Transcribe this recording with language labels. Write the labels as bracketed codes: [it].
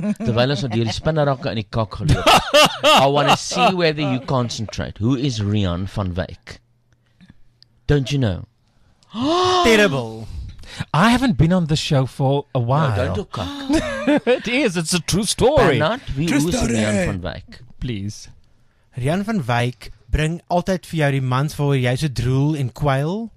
[af] Terwyl ons deur die spinnerakke in die kak geloop. [en] I want to see whether you concentrate. Who is Rian van Wyk? Don't you know? Terrible. I haven't been on the show for a while. No, don't do cock. It is. It's a true story. Bernard, who is Rian van Wyk? Please. [af] Rian van Wyk bring altyd vir jou die mans waar jy so drool en kwyl.